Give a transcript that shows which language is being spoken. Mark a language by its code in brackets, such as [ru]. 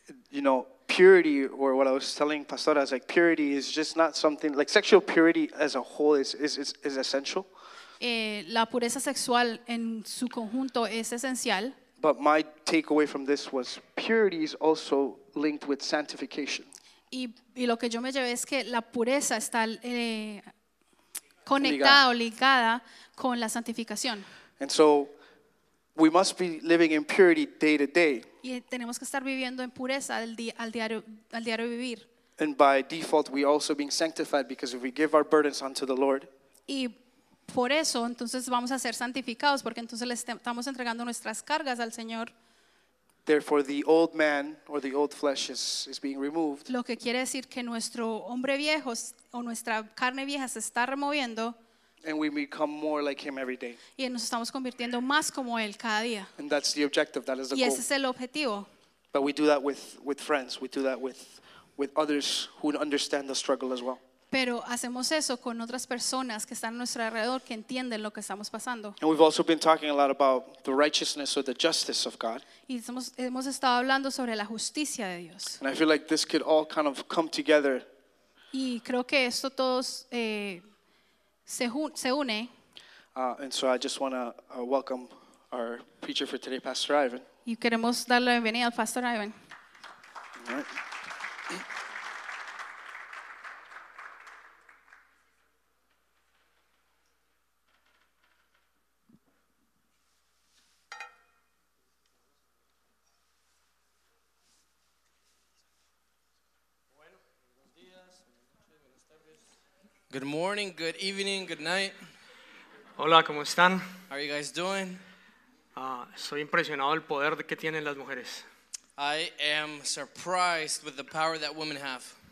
[en] You know, purity, or what I was telling Pastora, is like purity is just not something like sexual purity as a whole is essential. [es] La pureza sexual en su conjunto es esencial. [en] But my takeaway from this was purity is also linked with sanctification. [es] Y lo que yo me llevé es que la pureza está conectada o ligada con la santificación. [en] And so we must be living in purity day to day. [es] Y tenemos que estar viviendo en pureza al diario vivir. [en] And by default we also being sanctified because if we give our burdens unto the Lord. [es] Y por eso entonces vamos a ser santificados porque entonces le estamos entregando nuestras cargas al Señor. [en] Therefore the old man or the old flesh is being removed. [es] Lo que quiere decir que nuestro hombre viejo o nuestra carne vieja se está removiendo. [en] And we become more like him every day. [es] Y nos estamos convirtiendo más como él cada día. [en] And that's the objective, that is the goal. [es] Y ese es el objetivo. [en] But we do that with friends, we do that with others who understand the struggle as well. [es] Pero hacemos eso con otras personas que están a nuestro alrededor que entienden lo que estamos pasando. [en] And we've also been talking a lot about the righteousness or the justice of God. [es] Y hemos estado hablando sobre la justicia de Dios. [en] And I feel like this could all kind of come together. [es] Y creo que esto todos se une. [en] And so I just want to welcome our preacher for today, Pastor Ivan. [es] Y queremos darle la bienvenida al Pastor Ivan. [en] All right. Good morning, good evening, good night. [es] Hola, ¿cómo están? [en] How are you guys doing? [es] Soy impresionado el poder que tienen las mujeres. [en] I am surprised with the power that women have.